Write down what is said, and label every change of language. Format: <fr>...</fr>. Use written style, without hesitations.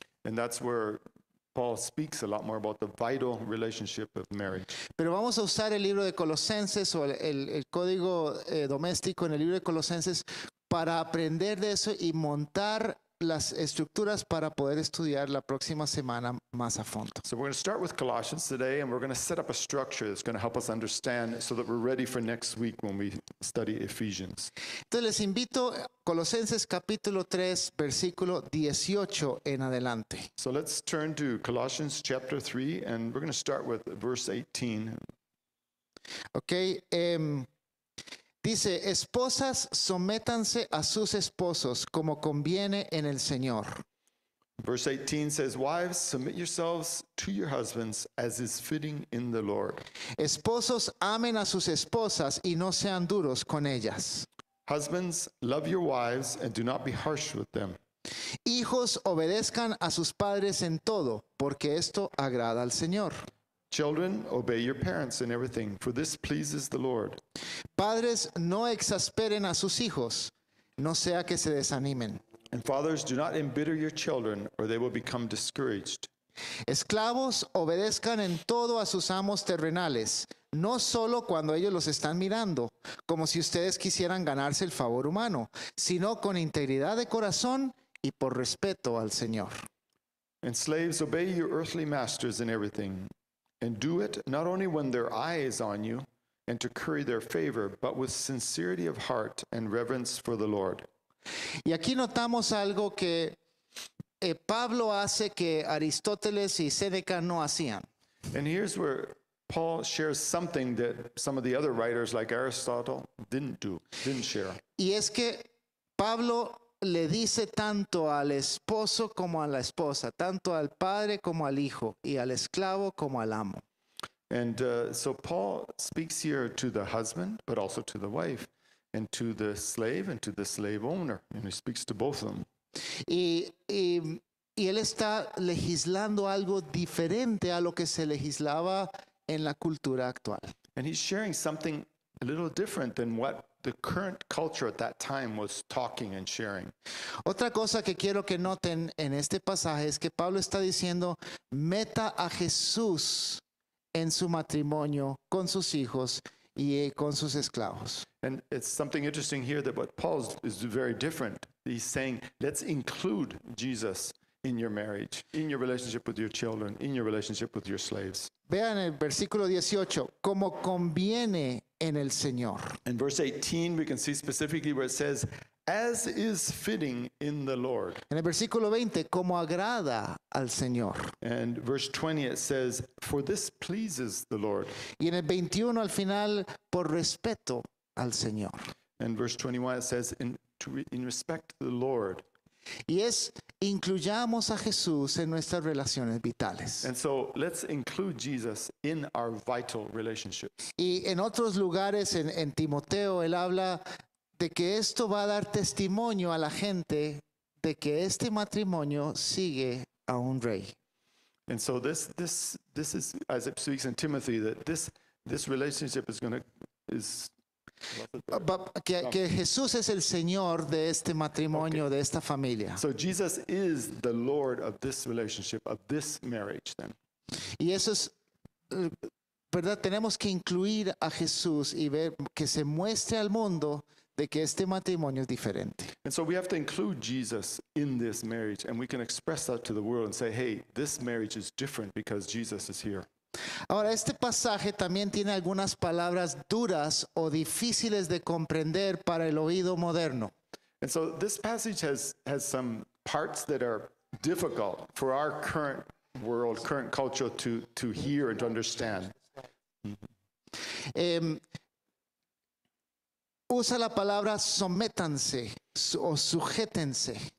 <en>And that's where Paul speaks a lot more about the vital relationship of marriage.</en> <es>Pero vamos a usar el libro de Colosenses o el código doméstico en el libro de Colosenses para aprender de eso y montar las estructuras para poder estudiar la próxima semana más a fondo.</es> <en>So we're going to start with Colossians today and we're going to set up a structure that's going to help us understand so that we're ready for next week when we study Ephesians.</en> <es>Entonces les invito Colosenses capítulo 3 versículo 18 en adelante.</es> <en>So let's turn to Colossians chapter 3 and we're going to start with verse 18.</en> <es>Okay, dice, esposas, sométanse a sus esposos como conviene en el Señor.</es> <en>Verse 18 says, wives, submit yourselves to your husbands as is fitting in the Lord.</en> <es>Esposos, amen a sus esposas y no sean duros con ellas.</es> <en>Husbands, love your wives and do not be harsh with them.</en> <es>Hijos, obedezcan a sus padres en todo, porque esto agrada al Señor.</es> <en>Children, obey your parents in everything, for this pleases the Lord.</en> <es>Padres, no exasperen a sus hijos, no sea que se desanimen.</es> <en>And fathers, do not embitter your children, or they will become discouraged.</en> <es>Esclavos, obedezcan en todo a sus amos terrenales, no solo cuando ellos los están mirando, como si ustedes quisieran ganarse el favor humano, sino con integridad de corazón y por respeto al Señor.</es> <en>And slaves, obey your earthly masters in everything. And do it not only when their eye is on you and to curry their favor, but with sincerity of heart and reverence for the Lord.</en> <es>Y aquí notamos algo que Pablo hace que Aristóteles y Séneca no hacían.</es> <en>And here's where Paul shares something that some of the other writers like Aristotle didn't share.</en> <es>Y es que Pablo le dice tanto al esposo como a la esposa, tanto al padre como al hijo, y al esclavo como al amo.</es> <en>And so Paul speaks here to the husband, but also to the wife, and to the slave and to the slave owner, and he speaks to both of them.</en> <es>Y él está legislando algo diferente a lo que se legislaba en la cultura actual.</es> <en>And he's sharing something a little different than what the current culture at that time was talking and sharing.</en> <es>Otra cosa que quiero que noten en este pasaje es que Pablo está diciendo, meta a Jesús en su matrimonio con sus hijos y con sus esclavos.</es> <en>And it's something interesting here that what Paul is very different. He's saying, let's include Jesus in your marriage, in your relationship with your children, in your relationship with your slaves.</en> <es>Vean el versículo 18, como conviene en el Señor.</es> <en>In verse 18, we can see specifically where it says, as is fitting in the Lord.</en> <es>En el versículo 20, como agrada al Señor.</es> <en>And verse 20, it says, for this pleases the Lord.</en> <es>Y en el 21, al final, por respeto al Señor.</es> <en>And verse 21, it says, in respect to the Lord.</en> <es>Y es, incluyamos a Jesús en nuestras relaciones vitales.</es> <en>And so, let's include Jesus in our vital relationships.</en> <es>Y en otros lugares, en Timoteo, él habla de que esto va a dar testimonio a la gente de que este matrimonio sigue a un rey.</es> <en>And so, this is, as it speaks in Timothy, that this relationship is</en> <es>que Jesús es el Señor de este matrimonio, okay, de esta familia.</es> <en>So Jesus is the Lord of this relationship, of this marriage then.</en> <es>Y eso es, ¿verdad? Tenemos que incluir a Jesús y ver que se muestre al mundo de que este matrimonio es diferente.</es> <en>And so we have to include Jesus in this marriage, and we can express that to the world and say, hey, this marriage is different because Jesus is here.</en> <es>Ahora, este pasaje también tiene algunas palabras duras o difíciles de comprender para el oído moderno.</es> <en>And so this passage has some parts that are difficult for our current world, current culture to hear and to understand.</en> <es>Usa la palabra sométanse o sujétense.</es>